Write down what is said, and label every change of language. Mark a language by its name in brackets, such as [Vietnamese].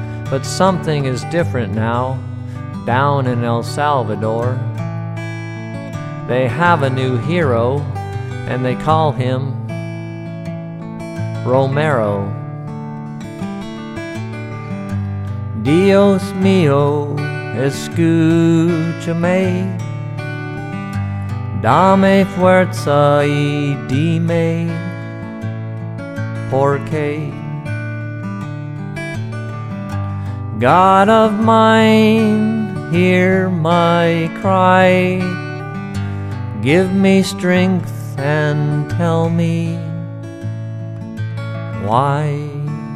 [English] But something is different now, down in El Salvador. They have a new hero, and they call him Romero. [Spanish] Dios mío, escúchame, dame fuerza y dime por qué. [English] God of mine, hear my cry, give me strength and tell me why.